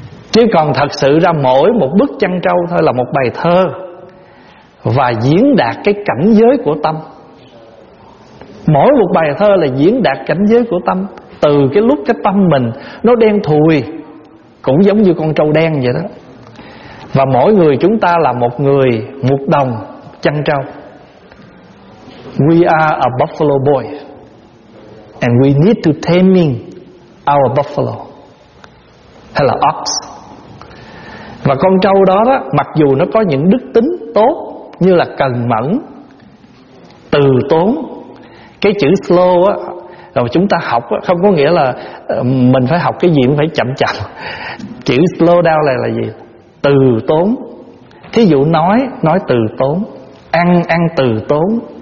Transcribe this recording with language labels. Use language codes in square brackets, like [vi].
[vi] Chứ còn thật sự ra mỗi một bức chăn trâu thôi là một bài thơ và diễn đạt cái cảnh giới của tâm. Mỗi một bài thơ là diễn đạt cảnh giới của tâm. từ cái lúc cái tâm mình nó đen thùi, cũng giống như con trâu đen vậy đó. Và mỗi người chúng ta là một người, một đồng chăn trâu. [en] We are a buffalo boy and we need to taming our buffalo [vi] hay là [en] ox. [vi] Và con trâu đó đó, mặc dù nó có những đức tính tốt như là cần mẫn, từ tốn. Cái chữ slow á, rồi chúng ta học á, không có nghĩa là mình phải học cái gì cũng phải chậm chậm. Chữ slow down là gì? Từ tốn. Thí dụ nói từ tốn, ăn từ tốn.